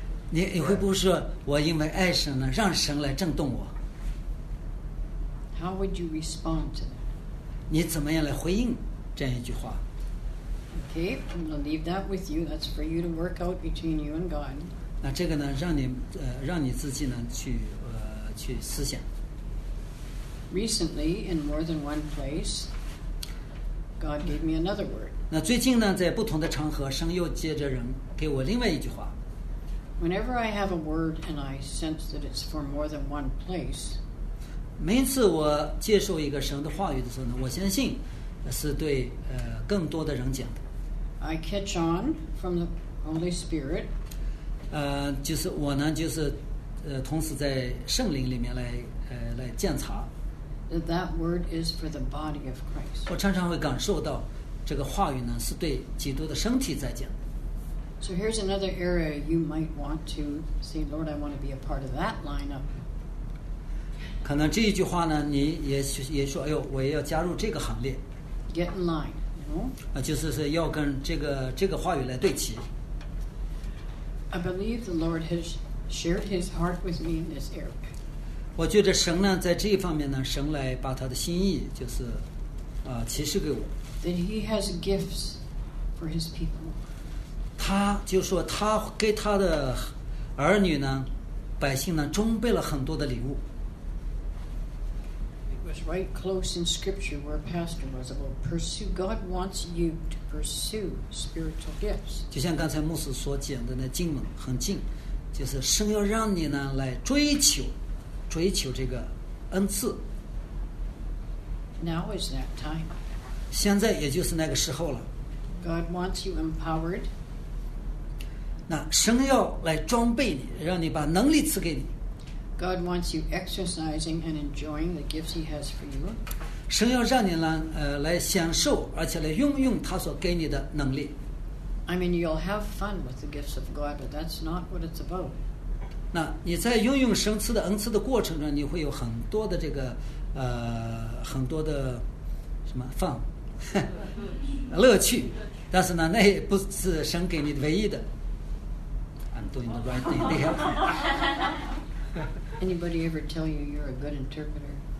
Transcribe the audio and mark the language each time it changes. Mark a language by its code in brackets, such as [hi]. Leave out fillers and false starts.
[zh] 你会不会说我因为爱神呢，让神来震动我? [en] How would you respond to that? [zh] 你怎么样来回应这样一句话 [en] ？Okay, I'm going to leave that with you. That's for you to work out between you and God. [zh] 那这个呢，让你自己呢去思想。 [en] Recently, in more than one place, God gave me another word. [zh] 那最近呢，在不同的场合，神又接着人给我另外一句话。 [en] Whenever I have a word and I sense that it's for more than one place. [zh] 每次我接受一个神的话语的时候呢，我相信是对更多的人讲的。 [en] I catch on from the Holy Spirit. [zh] 就是我呢，就是同时在圣灵里面来鉴察。 [en] That word is for the body of Christ. [zh] 我常常会感受到这个话语呢是对基督的身体在讲的。 [en] So here's another area you might want to say, Lord, I want to be a part of that lineup. [zh] 可能这一句话呢，你也说，哎呦，我也要加入这个行列。 [en] Get in line, you know? [zh] 就是说要跟这个话语来对齐。 [en] I believe the Lord has shared His heart with me in this area. [zh] 我觉得神呢，在这一方面呢，神来把他的心意就是启示给我。 [en] That He has gifts for His people. [zh] 他就说他给他的儿女呢，百姓呢，准备了很多的礼物。 [en] Was right close in Scripture where Pastor was about pursue. God wants you to pursue spiritual gifts. [zh] 就像刚才牧师所讲的那经文很近，就是神要让你呢来追求这个恩赐。 [en] Now is that time. [zh] 现在也就是那个时候了。 [en] God wants you empowered. [zh] 那神要来装备你，让你把能力赐给你。 [en] God wants you exercising and enjoying the gifts He has for you. [zh] 神要让你呢，来享受，而且来运用他所给你的能力。 [en] I mean, you'll have fun with the gifts of God, but that's not what it's about. [zh] 那你在运用神赐的恩赐的过程中，你会有很多的这个，很多的什么fun，乐趣。但是呢，那也不是神给你唯一的。 [en] I'm doing the right thing. They help me. Anybody ever tell you you're a good interpreter?